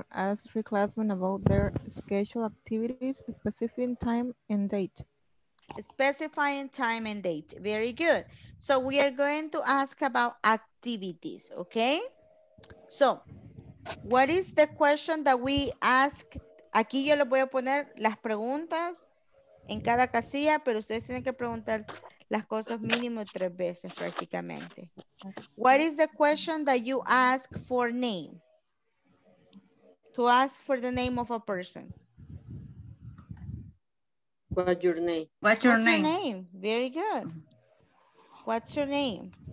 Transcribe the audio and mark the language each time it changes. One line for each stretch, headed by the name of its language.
English: Ask three classmates about their schedule activities, specifying time and date. Specifying time and date. Very good. So we are going to ask about activities, okay? So, what is the question that we ask?
Spanish: Aquí yo les voy a poner las preguntas en cada casilla, pero ustedes tienen que preguntar las cosas mínimo tres veces prácticamente.
English: What is the question that you ask for name? To ask for the name of a person. What's your name? What's your name? What's your name? Very good. What's your name?